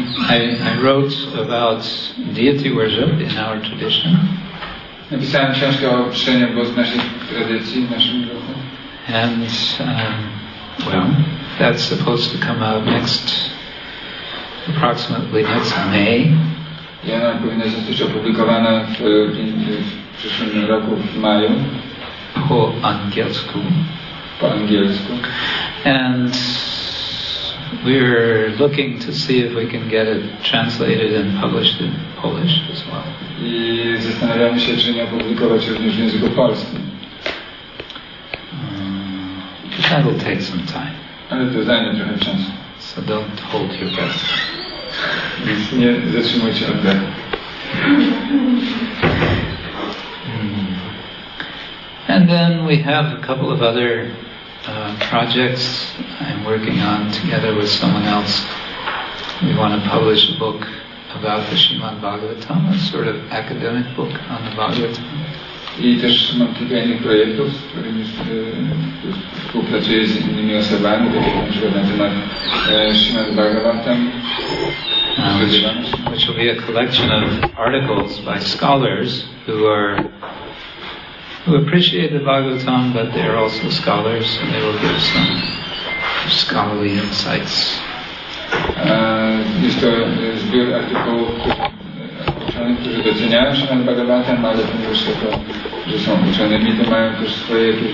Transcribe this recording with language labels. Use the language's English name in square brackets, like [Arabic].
[English] I wrote about deity worship in our tradition. [Polish] Napisałem książkę o przyjaciół Bożych w naszej tradycji, w naszym duchu. [English] And, well, that's supposed to come out approximately next May. [Polish] I ona powinna zostać opublikowana w przyszłym roku, w maju. Po angielsku. Po angielsku. [English] And we're looking to see if we can get it translated and published in Polish as well. [Polish] I zastanawiamy się, czy nie opublikować również w języku polskim. [English] That will take some time. [Polish] Ale to zajmie trochę czasu. [English] So don't hold your breath. [Polish] Więc nie zatrzymujcie oddechu. [English] And then we have a couple of other projects I'm working on together with someone else. We want to publish a book about the Srimad Bhagavatam, a sort of academic book on the Bhagavatam. [Polish] I też mam kilka innych projektów, z którymi współpracuję z innymi osobami, na temat Srimad Bhagavatam. [English] Which will be a collection of articles by scholars who appreciate the Bhagavatam, but they are also scholars, and they will give some scholarly insights. [Polish] Jest to zbiór artykułów, którzy doceniają Srimad Bhagavatam, ale ponieważ to, że są uczonymi, to mają też swoje